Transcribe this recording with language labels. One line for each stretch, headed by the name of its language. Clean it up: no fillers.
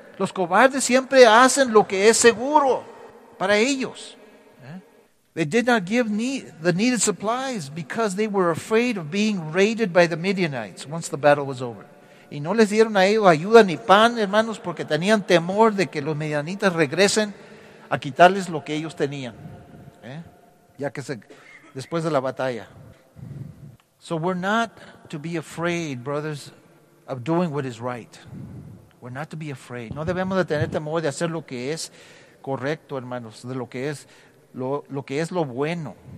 Spanish: Los cobardes siempre hacen lo que es seguro para ellos.
English: Yeah? They did not give the needed supplies because they were afraid of being raided by the Midianites once the battle was over.
Spanish: Y no les dieron a ellos ayuda ni pan, hermanos, porque tenían temor de que los medianitas regresen a quitarles lo que ellos tenían. ¿Eh? Ya que después de la batalla.
English: So we're not to be afraid, brothers, of doing what is right. We're not to be afraid.
Spanish: No debemos de tener temor de hacer lo que es correcto, hermanos, de lo que es lo bueno.